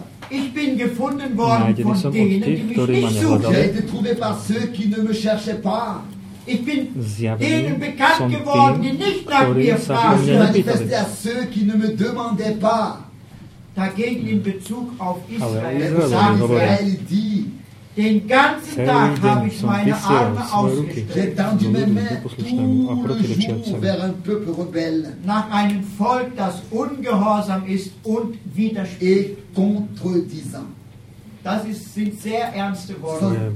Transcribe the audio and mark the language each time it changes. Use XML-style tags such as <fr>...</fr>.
<de>Ich bin gefunden worden von denen, die mich nicht suchen.</de> <fr>J'ai été trouvé par ceux qui ne me cherchaient pas.</fr> <de>Ich bin denen bekannt geworden, die nicht nach mir fragen.</de> <fr>Je manifeste à ceux qui ne me demandaient pas.</fr> <de>Dagegen in Bezug auf</de> <fr>Israel. Israel dit,</fr> <de>den ganzen Tag habe ich meine Arme ausgestreckt.</de> <fr>J'ai tendu mes mains tout le jour vers un peuple rebelle.</fr> <de>Nach einem Volk, das ungehorsam ist und widerspricht.</de> <fr>Et contredisant.</fr> <de>Das sind sehr ernste Worte.</de>